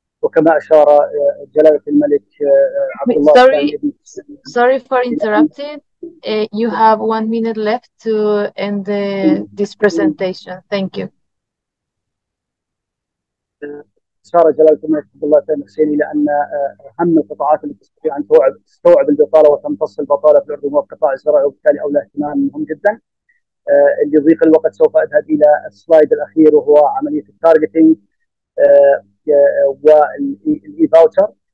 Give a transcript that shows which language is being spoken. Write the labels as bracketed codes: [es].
[ar] وكما أشار جلالة الملك عبد الله. [en] Sorry for interrupting. You have one minute left to end this presentation. Thank you. [ar] أشار جلالة الملك عبد الله الثاني حسيني لأن أهم القطاعات التي تستطيع أن تستوعب البطالة وتمتص البطالة في الأردن هو القطاع الزراعي، وبالتالي أولى اهتمام مهم جدا. ليضيف الوقت سوف أذهب إلى السلايد الأخير وهو عملية التارجتينج والإي فاوتر.